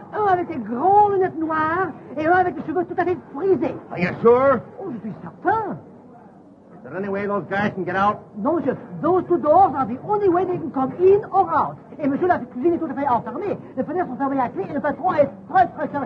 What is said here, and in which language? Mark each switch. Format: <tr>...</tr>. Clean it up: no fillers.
<fr>Oh, avec des grands lunettes noires et avec des cheveux tout à fait frisés.</fr> <en>Are you sure?</en> <fr>Oh, je suis certain.</fr> <en>Is there any way those guys can get out?</en> <fr>Non, monsieur.</fr> <en>Those two doors are the only way they can come in or out.</en> <fr>Et monsieur, la cuisine est tout à fait enfermée. Les fenêtres sont fermées à clé et le patron est très, très cher.</fr>